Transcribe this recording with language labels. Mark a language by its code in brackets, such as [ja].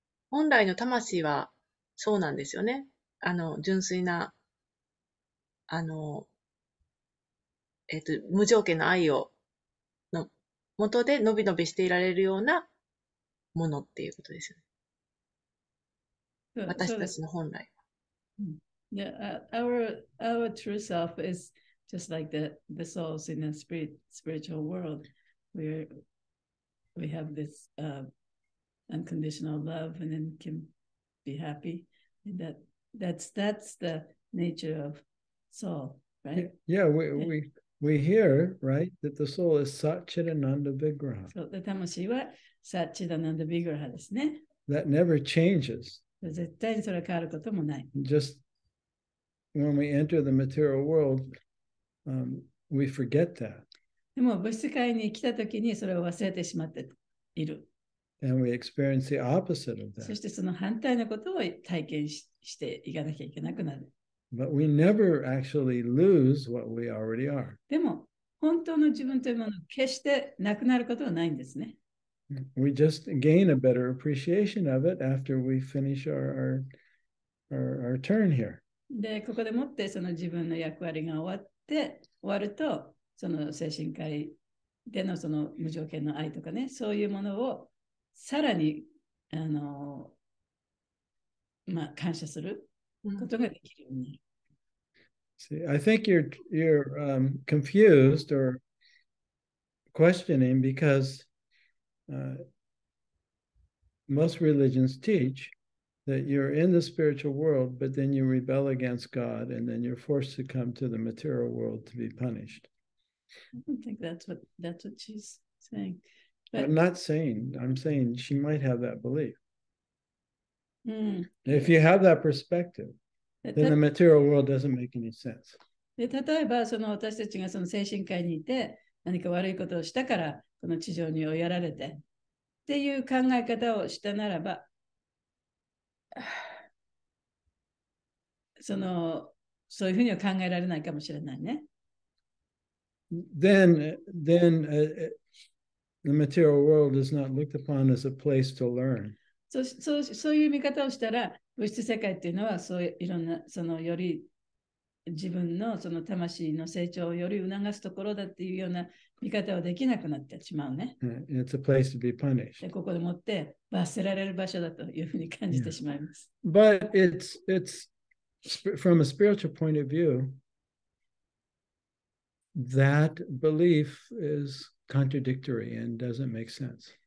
[ja] 本来の魂はそうなんですよね。純粋な、無条件の愛を、のもとで伸び伸びしていられるようなものっていうことですよね。私たちの本来は。 [en] Yeah, our true self is just like the souls in the spiritual world. We have this, unconditional love, and then can be happy. That's the nature of soul, right? Yeah, we hear, right, that the soul is Satchitananda Vigraha. So the [ja] 魂は Satchitananda Vigraha ですね。 [en] That never changes. [ja] 絶対にそれ変わることもない。 [en] Just when we enter the material world, we forget that. [ja] でも物質界に来た時にそれを忘れてしまっている。 [en] And we experience the opposite of that. [ja] そしてその反対のことを体験していかなきゃいけなくなる。 [en] But we never actually lose what we already are. [ja] でも本当の自分というものを決してなくなることはないんですね。 [en] We just gain a better appreciation of it after we finish our turn here. [ja] で、ここでもってその自分の役割が終わると、その精神科医でのその無条件の愛とかね、そういうものをさらに、感謝することができるようになる。 [en] See, I think you're confused or questioning because most religions teach that you're in the spiritual world, but then you rebel against God, and then you're forced to come to the material world to be punished. I don't think that's what she's saying. But, I'm not saying, I'm saying she might have that belief. If you have that perspective, then the material world doesn't make any sense. [ja] で、例えばその私たちがその精神界にいて何か悪いことをしたからこの地上に追いやられてっていう考え方をしたならば、そのそういうふうには考えられないかもしれないね。 [en] Then the material world is not looked upon as a place to learn. [ja] そういう見方をしたら、物質世界っていうのは、そういろんな、そのより自分のその魂の成長をより促すところだっていうような見方をできなくなってしまうね。 [en] It's a place to be punished. [ja] ここでもって罰せられる場所だというふうに感じてしまいます。 [en] Yeah. But it's from a spiritual point of view, that belief is contradictory and doesn't make sense.